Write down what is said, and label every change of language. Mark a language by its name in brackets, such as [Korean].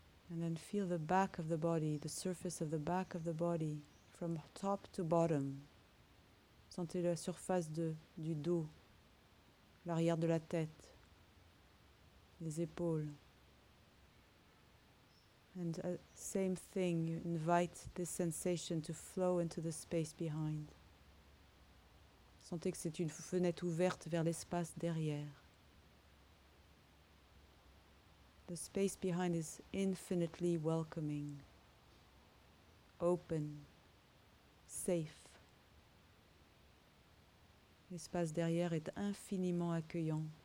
[English] And then feel the back of the body, the surface of the back of the body, from top to bottom. [French] Sentez la surface du dos, l'arrière de la tête, les épaules. [English] And same thing, you invite this sensation to flow into the space behind. [French] Sentez que c'est une fenêtre ouverte vers l'espace derrière. [English] The space behind is infinitely welcoming, open, safe. [French] L'espace derrière est infiniment accueillant.